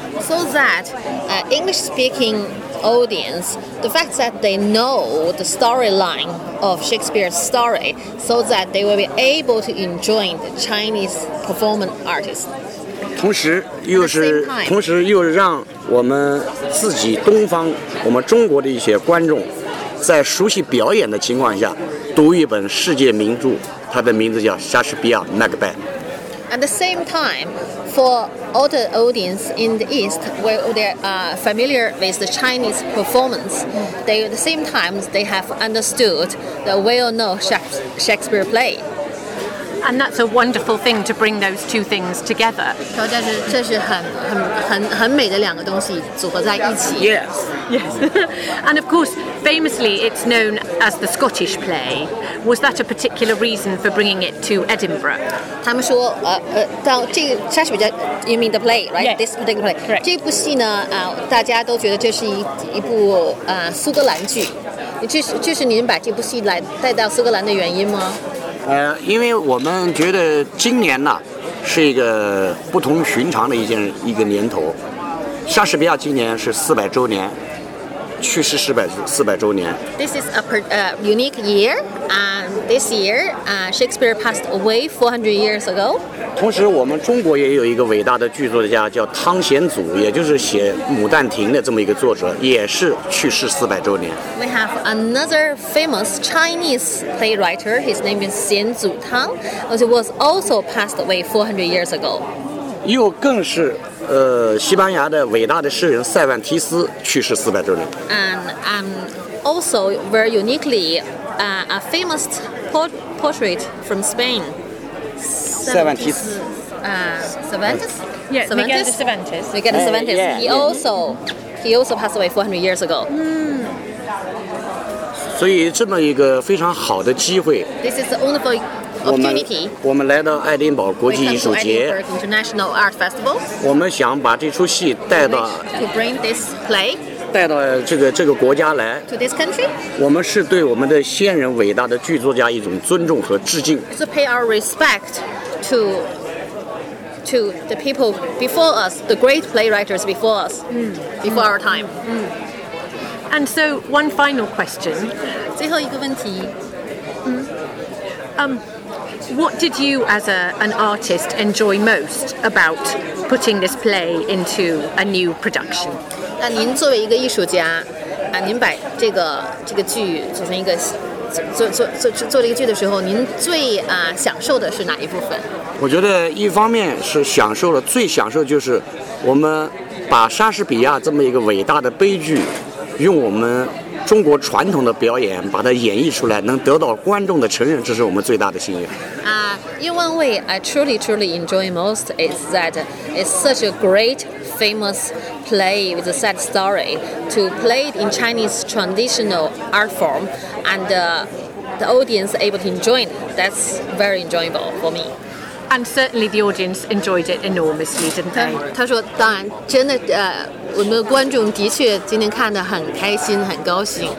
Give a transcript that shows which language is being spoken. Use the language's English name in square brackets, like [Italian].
[English] So that English-speaking audience, the fact that they know the storyline of Shakespeare's story, so that they will be able to enjoy the Chinese performing artists. [Chinese] 同时又让我们自己东方，我们中国的一些观众，在熟悉表演的情况下，读一本世界名著，它的名字叫莎士比亚《Macbeth》。 [English] At the same time, for all the audience in the East, where they are familiar with the Chinese performance, they at the same time they have understood the well-known Shakespeare play. And that's a wonderful thing to bring those two things together. [Chinese] 但是这是很美的两个东西组合在一起。 [English] Yes. Yes. And of course, famously, it's known as the Scottish play. Was that a particular reason for bringing it to Edinburgh? [Chinese] 他们说，这个莎士比亚 [English] ，you mean the play, right? Yes. This particular play. Correct. [Chinese] 这部戏呢，大家都觉得这是一部苏格兰剧。就是您把这部戏来带到苏格兰的原因吗？因为我们觉得今年呢是一个不同寻常的一个年头，莎士比亚今年是400周年，去世400周年。 [English] This is a unique year, and this year, Shakespeare passed away 400 years ago. [Chinese] 同时，我们中国也有一个伟大的剧作家叫汤显祖，也就是写《牡丹亭》的这么一个作者，也是去世400周年。 [English] We have another famous Chinese playwright. His name is 显祖汤， but he was also passed away 400 years ago. [Chinese] 又更是。西班牙的伟大的诗人塞万提斯去世400周年。 [English] And also very uniquely, a famous portrait from Spain. Cervantes. Cervantes. Yeah, Miguel de Cervantes. Miguel de Cervantes. He also passed away 400 years ago. [Chinese] 所以这么一个非常好的机会。 [English] This is the wonderful opportunity. [Chinese] 我们来到爱丁堡国际艺术节。 [English] International Art Festival. [Chinese] 我们想把这出戏带到。 [English] To bring this play. [Chinese] 带到这个国家来。 [English] To this country. [Chinese] 我们是对我们的先人伟大的剧作家一种尊重和致敬。 [English] To pay our respect to the people before us, the great playwriters before us, before our time. And so, one final question. [Chinese] 最后一个问题。 [English] What did you, as an artist, enjoy most about putting this play into a new production? [Chinese] 那您作为一个艺术家，您把这个剧组成一个做这个剧的时候，您最享受的是哪一部分？我觉得一方面是享受了，最享受就是我们把莎士比亚这么一个伟大的悲剧，用我们。中国传统的表演把它演绎出来能得到观众的承认，这是我们最大的心愿。 [English] In one way I truly truly enjoy most is that it's such a great famous play with a sad story to play it in Chinese traditional art form and the audience able to enjoy it. That's very enjoyable for me. And certainly the audience enjoyed it enormously, didn't they? [Chinese] 他说当然真的我们的观众的确今天看得很开心，很高兴。